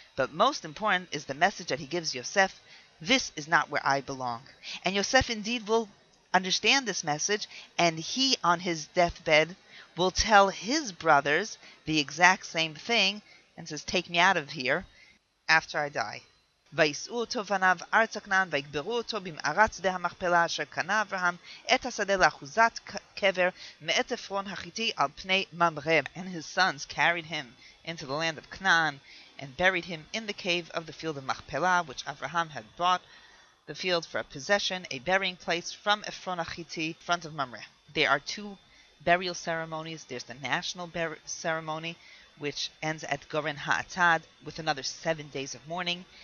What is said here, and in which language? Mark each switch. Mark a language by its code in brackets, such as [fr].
[en] But most important is the message that he gives Yosef, this is not where I belong. And Yosef indeed will understand this message, and he, on his deathbed, will tell his brothers the exact same thing, and says, take me out of here after I die. [he] ויסעו אותו בניו ארץ הכנען, ויקברו אותו במערת שדה המכפלה אשר קנה אברהם את השדה לאחוזת קבר מאת עפרון החיתי על פני ממרא. [en] And his sons carried him into the land of Canaan and buried him in the cave of the field of Machpelah, which Abraham had bought the field for a possession, a burying place from Ephron Achiti, front of Mamre. There are two burial ceremonies. There's the national ceremony, which ends at Goren Ha'atad with another 7 days of mourning.